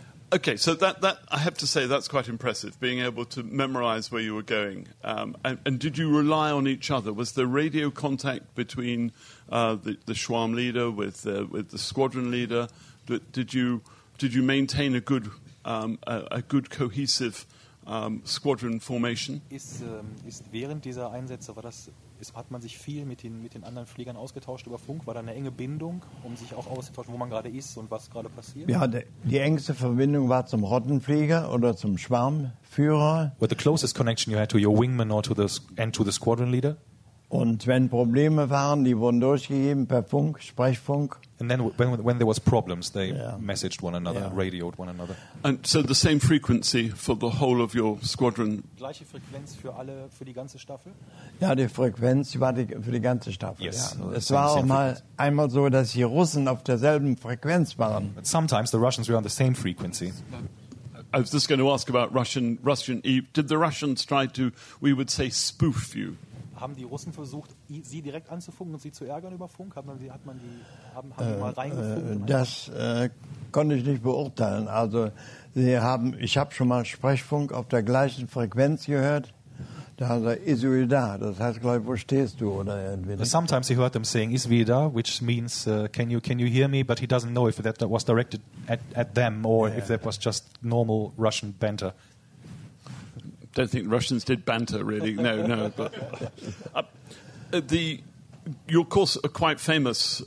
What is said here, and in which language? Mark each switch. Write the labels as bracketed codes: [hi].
[en] Okay, so that I have to say that's quite impressive, being able to memorize where you were going. And did you rely on each other? Was there radio contact between the Schwarm leader with the squadron leader? Did you maintain a good good cohesive squadron formation? [de] Ist während dieser Einsätze hat man sich viel mit den anderen Fliegern ausgetauscht über Funk? War da eine enge Bindung, um sich auch auszutauschen, wo man gerade ist und was gerade passiert? Ja, die engste Verbindung war zum Rottenflieger oder zum Schwarmführer. [en] With the closest connection you had to your wingman or to the squadron leader? [de] Und wenn Probleme waren, die wurden durchgegeben per Funk, Sprechfunk. [en] And then when there was problems, they messaged one another, radioed one another. And so the same frequency for the whole of your squadron? [de] Gleiche Frequenz für die ganze Staffel? Ja, die Frequenz war für die ganze Staffel. [en] Yes. [de] Es war auch mal einmal so, dass die Russen auf derselben Frequenz waren. [en] But sometimes the Russians were on the same frequency. I was just going to ask about Russian. Did the Russians try to, we would say, spoof you? [de] Haben die Russen versucht, sie direkt anzufunken und sie zu ärgern über Funk? Haben die mal reingefunkt? Das konnte ich nicht beurteilen. Also ich habe schon mal Sprechfunk auf der gleichen Frequenz gehört. Da hat er Isui da. Das heißt, glaube ich, wo stehst du? Oder [en] sometimes he heard them saying Isui da, which means can you hear me? But he doesn't know if that was directed at them or if that was just normal Russian banter. I don't think the Russians did banter, really. No. But your course are quite famous.